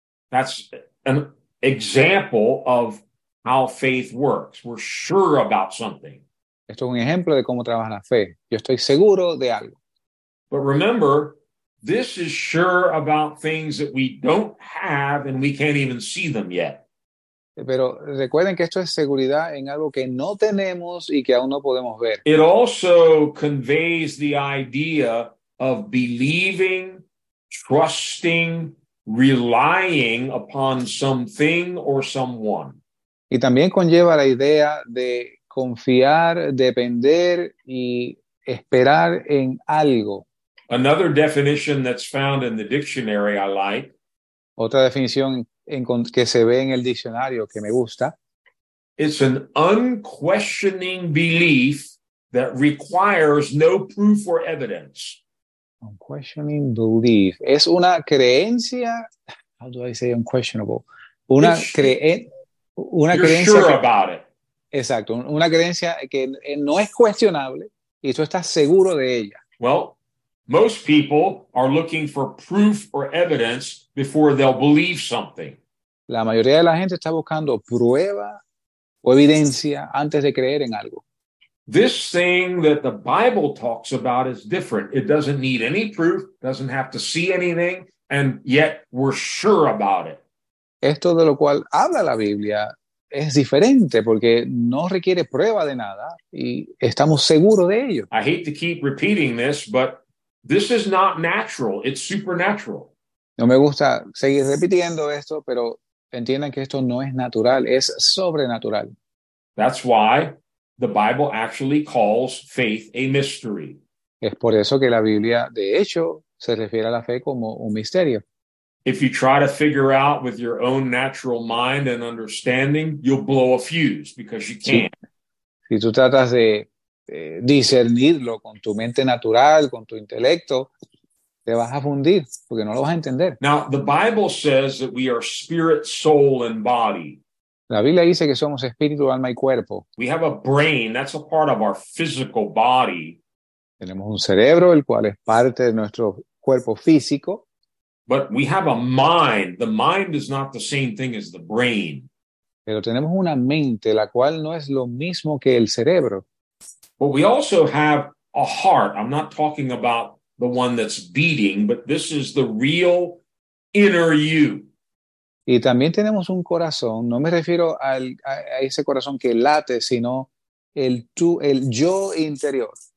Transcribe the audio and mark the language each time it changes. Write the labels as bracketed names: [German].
[English] That's an example of how faith works. We're sure about something. [Spanish] Esto es un ejemplo de cómo trabaja la fe. Yo estoy seguro de algo. [English] But remember, this is sure about things that we don't have and we can't even see them yet. [Spanish] Pero recuerden que esto es seguridad en algo que no tenemos y que aún no podemos ver. [English] It also conveys the idea of believing, trusting, relying upon something or someone. [Spanish] Y también conlleva la idea de confiar, depender y esperar en algo. [English] Another definition that's found in the dictionary I like. [Spanish] Otra definición que se ve en el diccionario que me gusta. [English] It's an unquestioning belief that requires no proof or evidence. Unquestioning belief. [Spanish] Es una creencia. [English] How do I say unquestionable? [Spanish] Una [English] You're [Spanish] creencia. [English] Sure about it. [Spanish] Exacto. Una creencia que no es cuestionable y tú estás seguro de ella. [English] Well, most people are looking for proof or evidence before they'll believe something. [Spanish] La mayoría de la gente está buscando prueba o evidencia antes de creer en algo. [English] This thing that the Bible talks about is different. It doesn't need any proof, doesn't have to see anything, and yet we're sure about it. [Spanish] Esto de lo cual habla la Biblia es diferente porque no requiere prueba de nada y estamos seguros de ello. [English] I hate to keep repeating this, but this is not natural. It's supernatural. [Spanish] No me gusta seguir repitiendo esto, pero entiendan que esto no es natural, es sobrenatural. [English] That's why the Bible actually calls faith a mystery. [Spanish] Es por eso que la Biblia, de hecho, se refiere a la fe como un misterio. [English] If you try to figure out with your own natural mind and understanding, you'll blow a fuse because you can't. [Spanish] Si tú tratas de discernirlo con tu mente natural, con tu intelecto, te vas a fundir porque no lo vas a entender. [English] Now, the Bible says that we are spirit, soul, and body. [Spanish] La Biblia dice que somos espíritu, alma y cuerpo. [English] We have a brain, that's a part of our physical body. [Spanish] Tenemos un cerebro, el cual es parte de nuestro cuerpo físico. [English] But we have a mind. The mind is not the same thing as the brain. [Spanish] Pero tenemos una mente, la cual no es lo mismo que el cerebro. [English] But we also have a heart. I'm not talking about the one that's beating, but this is the real inner you. [Spanish] Y también tenemos un corazón. No me refiero a ese corazón que late, sino el tú, el yo interior.